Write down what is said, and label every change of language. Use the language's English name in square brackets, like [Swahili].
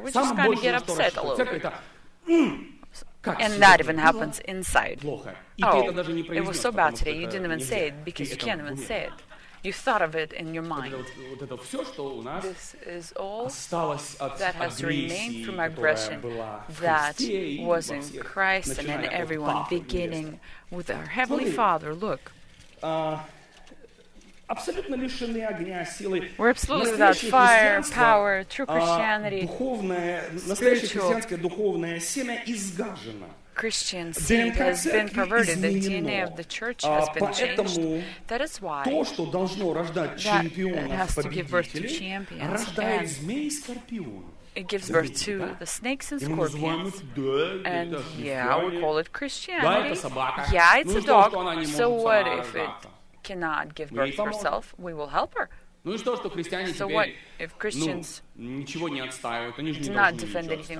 [English] We just kind of get upset a little bit. And that even happens inside. Oh, it was so bad today. You didn't even say it because you can't even say it. You thought of it in your mind. This is all that has remained from aggression that was in Christ and in everyone, beginning with our Heavenly Father. Look. [Russian] Абсолютно лишены огня, силы. [English] We're absolutely without fire, power, true Christianity. [Russian] Духовное, настоящее христианское духовное семя изгажено. [English] Christian seed has been perverted. The DNA of the church has been changed. That is why [Russian] то, что должно рождать чемпионов-победителей, рождает змей и скорпион. [English] It gives birth to the snakes and scorpions. And yeah, we call it Christianity. Yeah, it's a dog. So what if it cannot give birth herself? We will help her. So what if Christians do not defend anything?